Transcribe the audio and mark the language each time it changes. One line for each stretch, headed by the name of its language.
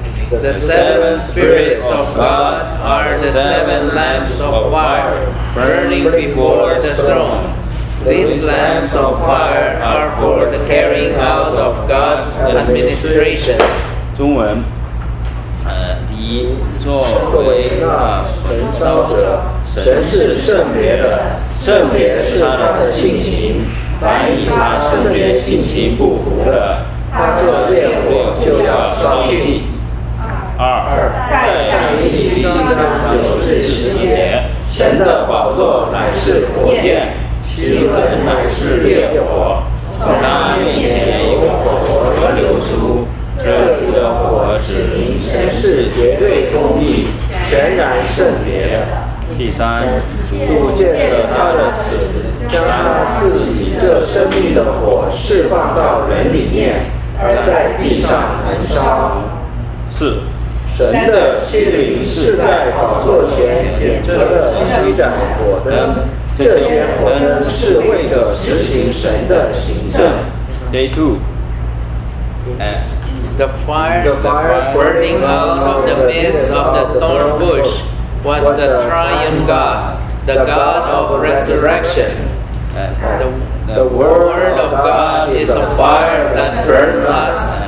English: The seven spirits of God are the seven lamps of fire burning before the throne. These lamps of fire are for the carrying out of God's administration.
Chinese: 中文，第一，作为那焚烧者，神是圣别的，圣别是他的性情，凡与他圣别性情不符的，他这烈火就要烧尽。二，在大地基上九至十七节，神的宝座乃是火焰，其轮乃是烈火，从他面前有火河流出。这里的火指明神是绝对公义、全然圣洁。第三，主借着他的死，将他自己这生命的火释放到人里面，而在地上焚烧。四。神的器皿是在宝座前点着的七盏火灯，这些火灯是为着执行神的行政。
English: Day two. The fire burning out of the midst of the thorn bush was the triune God, the God of resurrection. The word of God is a fire that burns us.